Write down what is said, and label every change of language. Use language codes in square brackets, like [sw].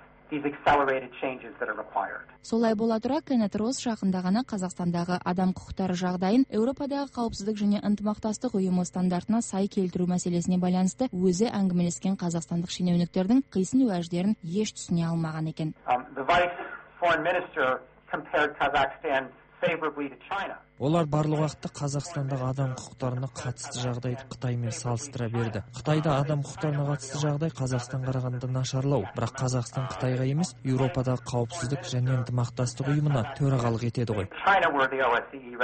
[en] These accelerated changes that are required. [kk] Солай бола тұра, Кеннет Росс жақында ғана Қазақстандағы адам құқықтары жағдайын Еуропадағы қауіпсіздік және ынтымақтастық ұйымы стандартына сай келтіру мәселесіне байланысты өзі әңгімелескен қазақстандық шенеуніктердің қисын уәждерін еш түсіне алмаған екен. [en] The Vice Foreign Minister compared Kazakhstan favorably to China. [kk] Олар барлық уақытта Қазақстандағы адам құқықтарына қатысты жағдайды Қытаймен салыстыра берді. Қытайда адам құқықтарына қатысты жағдай Қазақстан қарағанда нашарлау, бірақ Қазақстан Қытайға емес, Еуропадағы қауіпсіздік және ынтымақтастық ұйымына төрағалық етеді ғой.